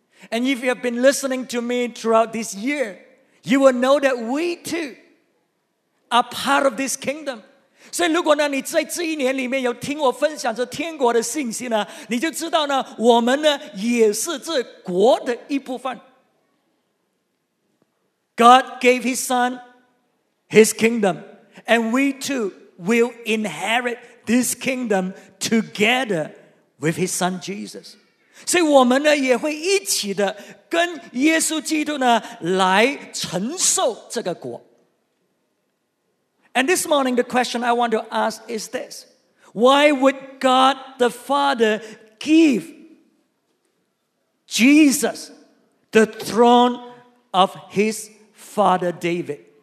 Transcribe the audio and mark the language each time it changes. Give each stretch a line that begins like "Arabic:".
English: And if you have been listening to me throughout this year, you will know that we too are part of this kingdom.
Chinese: 所以如果呢，你在这一年里面有听我分享这天国的信息呢，你就知道呢，我们呢也是这国的一部分。God
English: gave His Son His kingdom, and we too will inherit this kingdom together with His Son Jesus.
Chinese: 所以我们呢也会一起的跟耶稣基督呢来承受这个国。
English: And this morning, the question I want to ask is this. Why would God the Father give Jesus the throne of his father David?